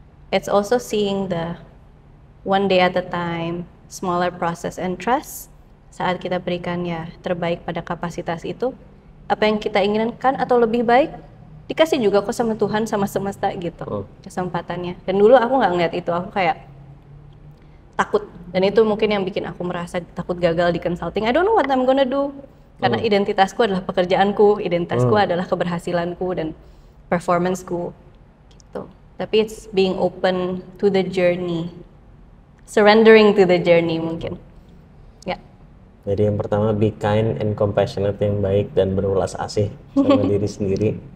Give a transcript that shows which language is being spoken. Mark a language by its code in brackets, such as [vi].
[en] It's also seeing the one day at a time, smaller process and trust. [id] Saat kita berikan ya terbaik pada kapasitas itu, apa yang kita inginkan atau lebih baik dikasih juga kok sama Tuhan, sama semesta gitu kesempatannya. Dan dulu aku nggak ngeliat itu, aku kayak takut, dan itu mungkin yang bikin aku merasa takut gagal di consulting. [en] I don't know what I'm gonna do, [id] karena identitasku adalah pekerjaanku, identitasku adalah keberhasilanku dan performanceku gitu. Tapi [en] it's being open to the journey, surrendering to the journey [id] mungkin. Jadi yang pertama, [en] be kind and compassionate, [id] yang baik dan berwelas asih sama diri sendiri.